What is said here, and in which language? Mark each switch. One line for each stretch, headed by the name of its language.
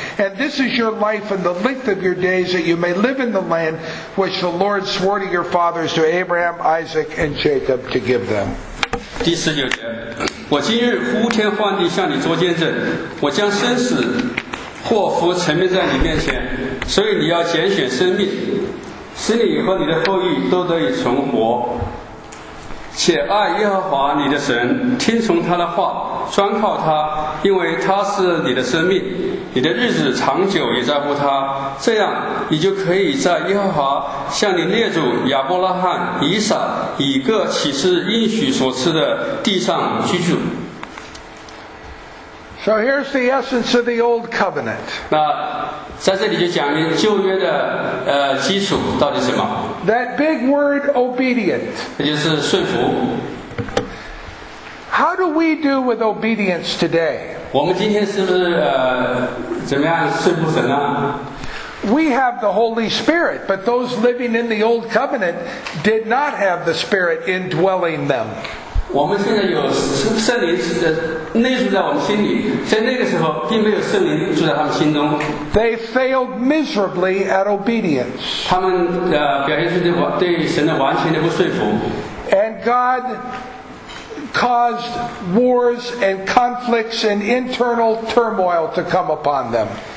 English: And this is your life and the length of your days that you may live in the land which the Lord swore to your fathers, to Abraham, Isaac, and Jacob, to give them.
Chinese: 第十九节，我今日呼天唤地向你作见证，我将生死祸福陈明在你面前，所以你要拣选生命，使你和你的后裔都得以存活。且爱耶和华你的神，听从他的话，专靠他，因为他是你的生命，你的日子长久也在乎他。这样，你就可以在耶和华向你列祖亚伯拉罕、以撒、以各起誓应许所赐的地上居住。
English: So here's the essence of the old covenant.
Chinese: 那在这里就讲明旧约的基础到底什么。
English: That big word obedient.
Chinese: 那就是顺服。
English: How do we do with obedience today?
Chinese: 我们今天是不是怎么样顺服神呢？
English: We have the Holy Spirit, but those living in the old covenant did not have the Spirit indwelling them.
Chinese: 我们现在有圣灵内住在我们心里，在那个时候并没有圣灵住在他们心中。
English: They failed miserably at obedience.
Chinese: 他们表现出对神的完全的不顺服。
English: And God caused wars and conflicts and internal turmoil to come upon them.